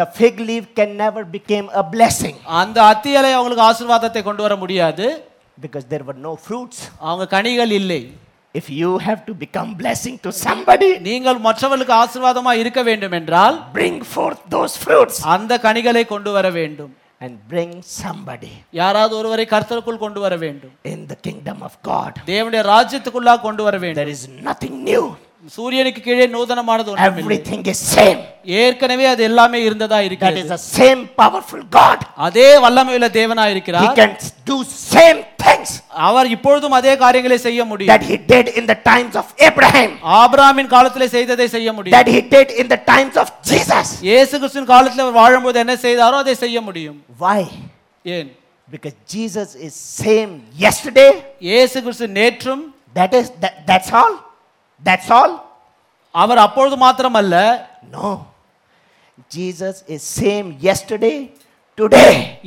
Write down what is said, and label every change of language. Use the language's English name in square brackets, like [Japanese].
[English] The fig leaf can never become a blessing. [Tamil] அந்த அத்தியலை அவங்களுக்கு ஆசீர்வாதத்தை கொண்டு வர முடியாது. [English] Because there were no fruits. [Tamil] அவங்க கனிகள் இல்லை. [English] If you have to become blessing to somebody, [Tamil] நீங்கள் மற்றவர்களுக்கு ஆசீர்வாதமாக இருக்க வேண்டும் என்றால், [English] bring forth those fruits. [Tamil] அந்த கனிகளை கொண்டு வர வேண்டும். [English] And bring somebody. [Tamil] யாராவது ஒருவரை கர்த்தருக்குள் கொண்டு வர வேண்டும். [English] In the kingdom of God. [Tamil] தேவனுடைய ராஜ்யத்துக்குள்ளா கொண்டு வர வேண்டும். [English] There is nothing new. [Tamil] சூரியனுக்கு கீழே நூதனமானது ஒன்றுமில்லை. [English] Everything is same. [Tamil] ஏற்கனவே அது எல்லாமே இருந்ததா இருக்கிறது. [English] That is the same powerful God. [Tamil] அதே வல்லமையுள்ள தேவனா இருக்கிறார். [English] He can do same things. [Tamil] அவர் இப்பொழுதும் அதே காரியங்களை செய்ய முடியும். [English] That he did in the times of Abraham. [Tamil] ஆபிரகாமின் காலத்திலே செய்ததை செய்ய முடியும். [English] That he did in the times of Jesus. [Tamil] இயேசு கிறிஸ்துவின் காலத்திலே அவர் வாழும்போது என்ன செய்தாரோ அதை செய்ய முடியும். [English] Why? [Tamil] ஏன்? [English] Because Jesus is same yesterday. [Tamil] இயேசு கிறிஸ்து நேற்றும் [English] That's all. That's all. [Tamil] அவர் அப்பொழுது மாத்திரம் அல்ல. [English] No. Jesus is same yesterday, today.